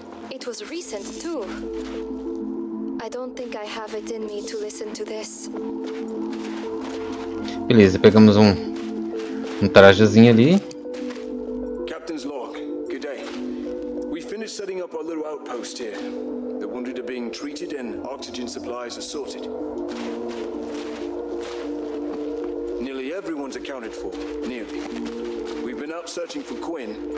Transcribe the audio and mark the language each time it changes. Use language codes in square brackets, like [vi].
[en] It was recent too. I don't think I have it in me to listen to this. [pt] Beleza, pegamos um trajezinho ali. [en] Captain's log. Good day. We finished setting up our little outpost here. The wounded are being treated and oxygen supplies are sorted. Nearly everyone's accounted for. Nearly. We've been out searching for Quinn.